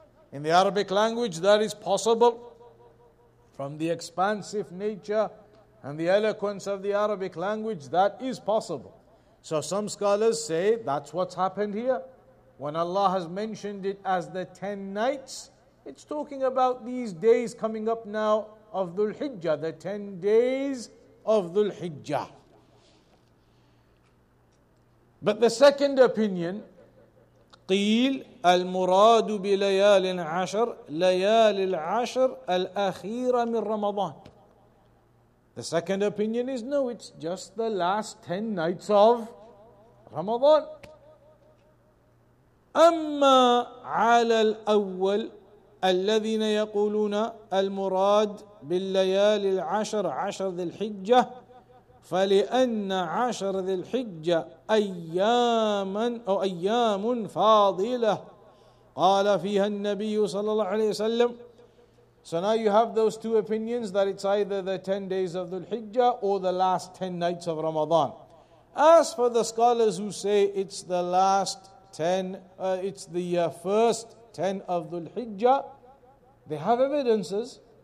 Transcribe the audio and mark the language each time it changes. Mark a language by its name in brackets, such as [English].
[English] In the Arabic language, that is possible from the expansive nature and the eloquence of the Arabic language, that is possible. So some scholars say that's what's happened here. When Allah has mentioned it as the 10 nights, it's talking about these days coming up now of Dhul Hijjah, the 10 days of Dhul Hijjah. But the second opinion, [Arabic] قيل المراد بليال عشر ليال العشر الأخيرة من رمضان. [English] The second opinion is no, it's just the last 10 nights of Ramadan. [Arabic] أما على الأول الذين يقولون المراد بالليال العشر عشر ذي الحجة فلأن عشر ذي الحجة أياما أو أيام فاضلة قال فيها النبي صلى الله عليه وسلم. [English] So now you have those two opinions, that it's either the 10 days of Dhul Hijjah or the last 10 nights of Ramadan. As for the scholars who say it's the last 10, it's the first 10 of Dhul Hijjah, they have evidences.